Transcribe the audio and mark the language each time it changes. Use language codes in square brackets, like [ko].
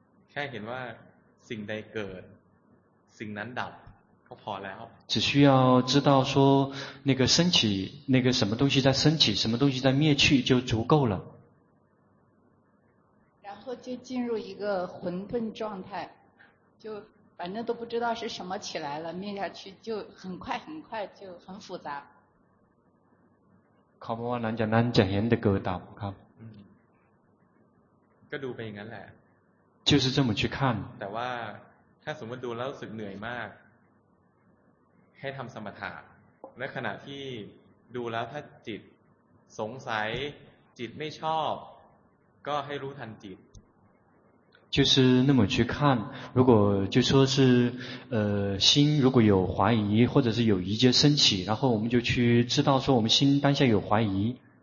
[th] แค่เห็นว่าสิ่งใดเกิดสิ่งนั้นดับก็พอแล้ว [zh] 只需要知道说那个升起那个什么东西在升起什么东西在灭去就足够了然后就进入一个混沌状态就反正都不知道是什么起来了灭下去就很快很快就很复杂 [th] เขาบอกว่าหลังจากนั้นจะเห็นแต่เกิดดับครับ ก็ดูไปอย่างนั้นแหละ [zh] 就是这么去看 [th] แต่ว่าถ้าสมมติดูแล้วรู้สึกเหนื่อยมากให้ทำสมถะและขณะที่ดูแล้วถ้าจิตสงสัยจิตไม่ชอบก็ให้รู้ทันจิต [zh] 就是那么去看如果就说是心如果有怀疑或者是有疑结升起然后我们就去知道说我们心当下有怀疑